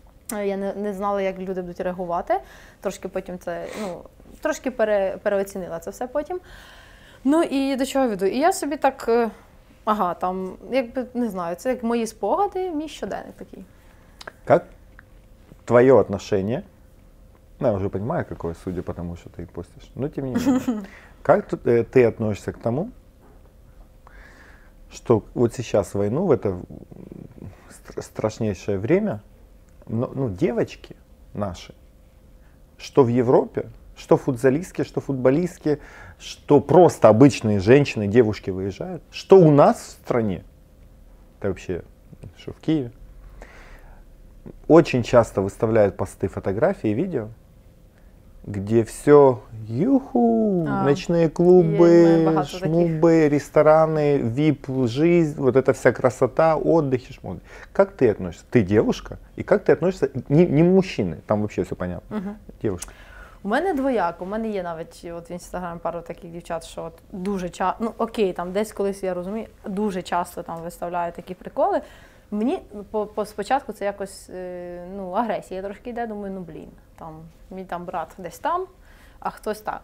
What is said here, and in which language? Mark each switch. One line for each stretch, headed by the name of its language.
Ukrainian: Я не знала, як люди будуть реагувати. Трошки потім це, ну, трошки переоцінила це все потім. Ну і до чого веду? І я собі так, ага, там, якби, не знаю, це як мої спогади, мій щоденник такий. Як твоє отношення? Ну, я вже розумію, яке, судя по тому, що ти постиш. Ну, тим не менше. Як ти відносишся к тому, що от зараз війну, в це страшніше время,
Russian: ну, девочки наши, что в Европе, что футзалистки, что футболистки, что просто обычные женщины, девушки выезжают, что у нас в стране, это вообще, что в Киеве, очень часто выставляют посты, фотографии, видео, где все юху, ночные клубы, шмубы, рестораны, VIP жизнь, вот эта вся красота, отдых и шмоды. Как ты относишься? Ты девушка? И как ты относишься? Не мужчины, там вообще все понятно. Угу. Девушка.
Ukrainian: У мене двояк, у мене є навіть от в Інстаграмі пару таких дівчат, що от дуже часто, ну окей, там десь колись я розумію, дуже часто там виставляю такі приколи. Мені спочатку це якось, ну, агресія трошки йде, думаю, ну, блін, там, мій там брат десь там, а хтось так.